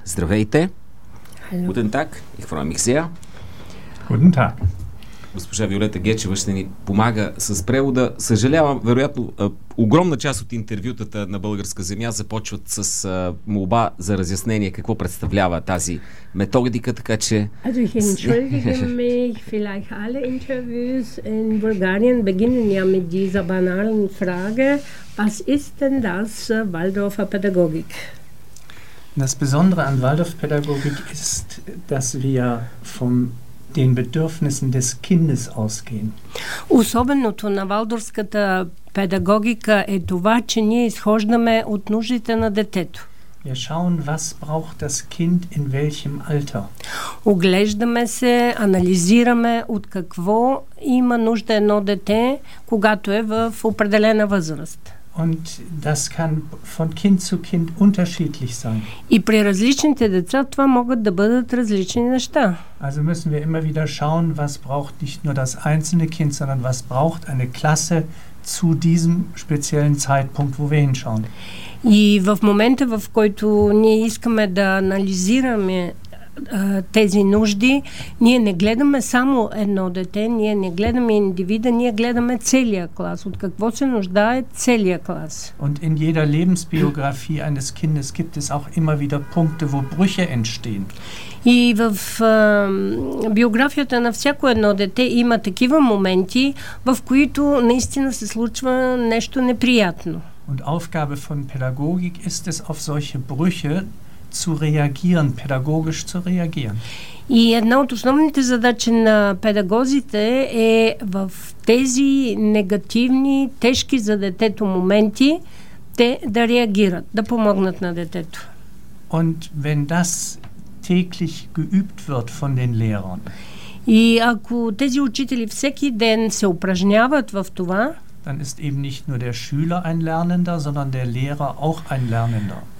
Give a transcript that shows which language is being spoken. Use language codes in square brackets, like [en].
[bg] Здравейте! [de] Гутен так! Ихвроя миксия! Гутен так! [bg] Госпожа Виолета Гечева ще ни помага с превода. Съжалявам, вероятно, огромна част от интервютата на българска земя започват с молба за разяснение какво представлява тази методика, така че... [de] Also ich entschuldige mich, vielleicht alle Interviews in Bulgarien beginnen ja mit dieser banalen Frage, was ist denn das Waldorfer Pädagogik? Das Besondere an Waldorfpädagogik ist, dass wir vom den Bedürfnissen des Kindes ausgehen. [bg] Особеното на валдорската педагогика е това, че ние изхождаме от нуждите на детето. [de] Wir schauen, was braucht das Kind in welchem Alter. [bg] Оглеждаме се, анализираме от какво има нужда едно дете, когато е в определена възраст. [de] Und das kann von Kind zu Kind unterschiedlich sein. [bg] И при различните деца това могат да бъдат различни неща. [de] Also müssen wir immer wieder schauen, was braucht nicht nur das einzelne Kind, sondern was braucht eine Klasse zu diesem speziellen Zeitpunkt, wo wir hinschauen. [bg] И в момента, в който ние искаме да анализираме тези нужди, ние не гледаме само едно дете, ние не гледаме индивида, ние гледаме целия клас. От какво се нуждае целия клас? [de] Und in jeder Lebensbiografie eines Kindes gibt es auch immer wieder Punkte, wo Brüche entstehen. [bg] И в биографията на всяко едно дете има такива моменти, в които наистина се случва нещо неприятно. [de] Und Aufgabe von Pädagogik ist es, auf solche Brüche zu reagieren, pädagogisch zu reagieren. [bg] И една от основните задачи на педагозите е в тези негативни, тежки за детето моменти те да реагират, да помогнат на детето. [de] Und wenn das täglich geübt wird von den Lehrern. [bg] И ако тези учители всеки ден се упражняват в това, [de] dann ist eben nicht nur der Schüler ein Lernender, sondern der Lehrer auch ein Lernender.